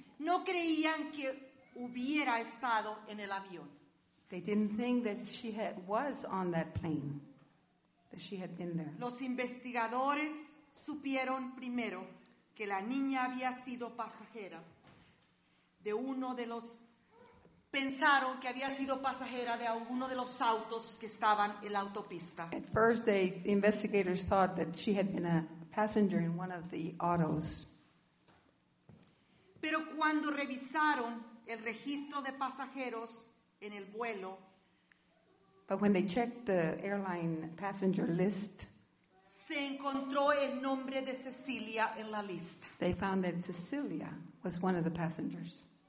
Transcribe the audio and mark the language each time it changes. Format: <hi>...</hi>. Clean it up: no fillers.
<es>No creían que hubiera estado en el avión.</es> <en>They didn't think that she was on that plane, that she had been there.</en> <es>Los investigadores supieron primero que la niña había sido pasajera de uno de los, pensaron que había sido pasajera de alguno de los autos que estaban en la autopista.</es> <en>At first, the investigators thought that she had been a passenger in one of the autos.</en> <es>Pero cuando revisaron el registro de pasajeros en el vuelo.</es> <en>But when they checked the airline passenger list.</en> <es>Se encontró el nombre de Cecilia en la lista.</es> <en>They found that Cecilia was one of the passengers.</en>